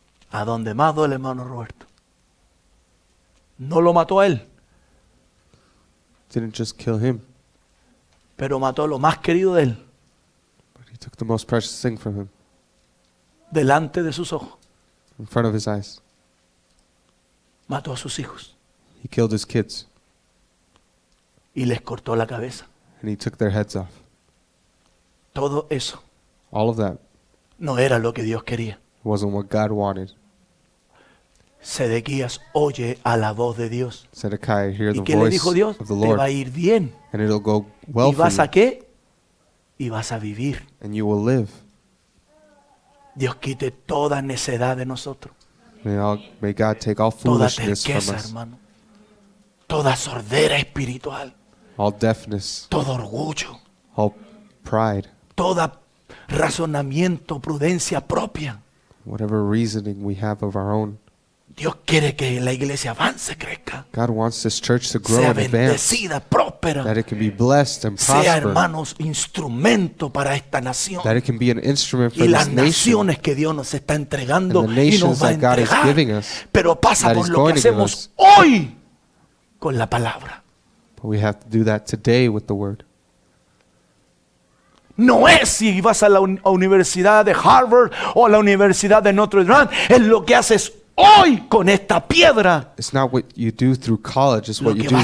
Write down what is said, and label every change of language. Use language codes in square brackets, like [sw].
[es] A donde más duele, hermano Roberto. No lo mató a él. [en] Didn't just kill him. [es] Pero mató a lo más querido de él. [en] But he took the most precious thing from him. [es] Delante de sus ojos. [en] In front of his eyes. [es] Mató a sus hijos. [en] He killed his kids. [es] Y les cortó la cabeza. [en] And he took their heads off. [es] Todo eso. [en] All of that. [es] No era lo que Dios quería. [en] It wasn't what God wanted. [es] Sedequías oye a la voz de Dios. [en] Zedekiah, hear the [es] ¿y qué le dijo Dios? [en] Of the Lord. [es] Te va a ir bien. [en] And it'll go well. [es] ¿Y vas [en] for a you. [es] Qué? Y vas a vivir. [en] And you will live. [es] Dios quite toda necedad de nosotros. [en] May God take all foolishness [es] toda terqueza, [en] from us. [es] Hermano. Toda sordera espiritual. [en] All deafness. [es] Todo orgullo. [en] All pride. [es] Toda razonamiento, prudencia propia. [en] Whatever reasoning we have of our own. [es] Dios quiere que la iglesia avance, crezca. [en] God wants this church to grow and advance. [es] Sea bendecida, próspera. [en] That it can be blessed and prosper. [es] Sea, hermanos, instrumento para esta nación. [en] That it can be an instrument for [es] y las naciones que Dios nos está entregando y nos va a entregar. [en] God is giving us, [es] pero pasa por lo que hacemos hoy con la palabra. [en] But we have to do that today with the word. [es] No es si vas a la universidad de Harvard o a la universidad de Notre Dame, es lo que haces hoy con esta piedra. [en] It's not what you do through college, it's what you do with